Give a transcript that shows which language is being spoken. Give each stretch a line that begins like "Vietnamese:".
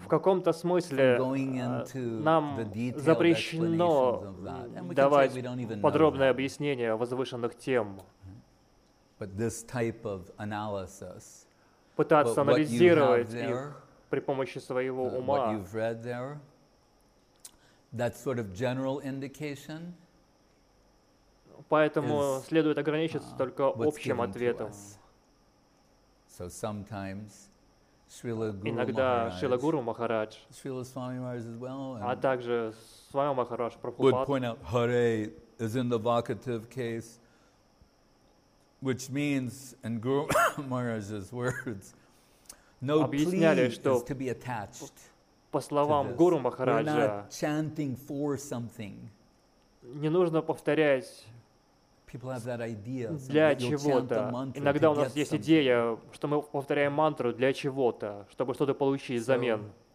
Russian: в каком-то смысле нам запрещено давать подробное объяснение возвышенных тем.
English: But this type of analysis,
Russian: пытаться анализировать их при помощи своего ума,
English: what you've read there, that sort of general indication.
Russian: Поэтому следует ограничиться только общим ответом.
English: So sometimes Srila Guru
Russian: иногда Шрила Гуру Махарадж,
English: Srila Swami Maharaj as well,
Russian: а также Свами Махарадж Прабхупад,
English: would point out Hare is in the vocative case, which means, in Guru Maharaj's words, no plea is to be attached.
Russian: По словам Гуру Махараджа, не нужно повторять для чего-то. Иногда у нас есть идея, что мы повторяем мантру для чего-то, чтобы что-то получить взамен.